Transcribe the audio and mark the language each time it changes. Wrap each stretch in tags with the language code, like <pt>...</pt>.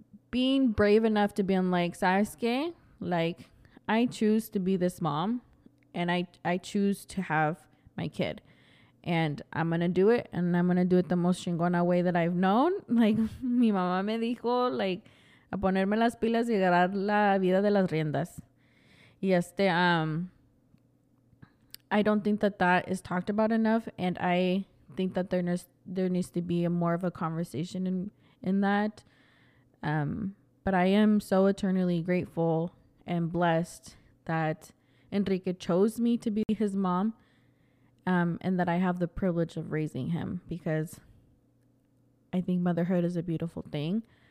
<en>Being brave enough to be like, Sasuke, like, I choose to be this mom, and I choose to have my kid, and I'm going to do it, and I'm going to do it the most chingona way that I've known.</en> <es>Like, mi mamá me dijo, like, a ponerme las pilas y agarrar la vida de las riendas.</es> <en>Yes, they, I don't think that that is talked about enough. And I think that there needs to be a more of a conversation in that. But I am so eternally grateful and blessed that Enrique chose me to be his mom, and that I have the privilege of raising him, because I think motherhood is a beautiful thing.</en>